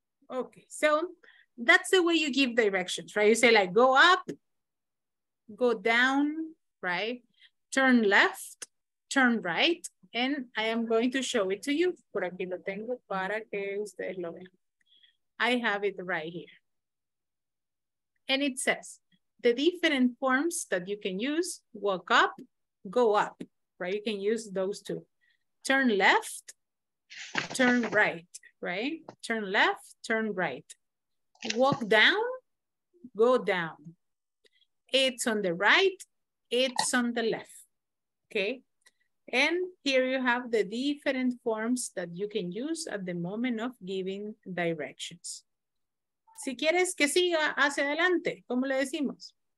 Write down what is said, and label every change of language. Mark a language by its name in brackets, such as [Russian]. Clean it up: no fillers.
[English] Okay, so that's the way you give directions, right? You say like, go up, go down, right? Turn left, turn right. And I am going to show it to you. [Spanish] Por aquí lo tengo para que ustedes lo vean. [English] I have it right here. And it says, the different forms that you can use, walk up, go up, right? You can use those two. Turn left, turn right, right? Turn left, turn right. Walk down, go down. It's on the right, it's on the left, okay? And here you have the different forms that you can use at the moment of giving directions. [Spanish] Si quieres que siga hacia adelante, ¿cómo le decimos?